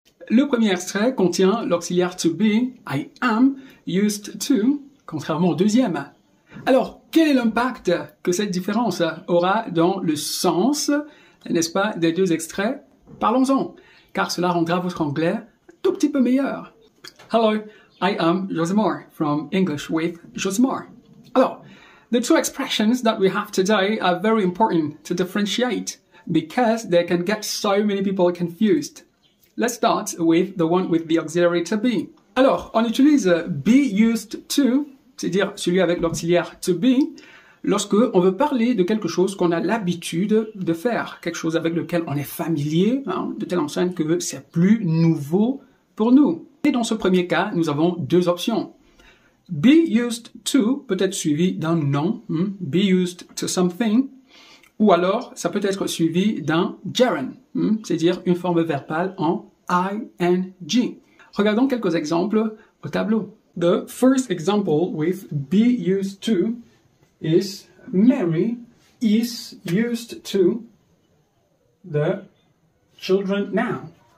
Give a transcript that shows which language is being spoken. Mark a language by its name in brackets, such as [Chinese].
[French] Le premier extrait contient l'auxiliaire to be, [English] I am used to, [French] contrairement au deuxième. Alors, quel est l'impact que cette différence aura dans le sens, n'est-ce pas, des deux extraits? Parlons-en, car cela rendra votre anglais un tout petit peu meilleur. [English] Hello, I am Josimar from English with Josimar. Alors, the two expressions that we have today are very important to differentiate because they can get so many people confused. Let's start with the one with the auxiliary to be. [French] Alors, on utilise be used to, c'est-à-dire celui avec l'auxiliaire to be, lorsque on veut parler de quelque chose qu'on a l'habitude de faire, quelque chose avec lequel on est familier, hein, de telle enceinte que c'est plus nouveau pour nous. Et dans ce premier cas, nous avons deux options. Be used to peut être suivi d'un nom, be used to something, ou alors ça peut être suivi d'un gerund, c'est-à-dire une forme verbale en ing. Regardons quelques exemples au tableau. [English] The first example with be used to is Mary is used to the children now.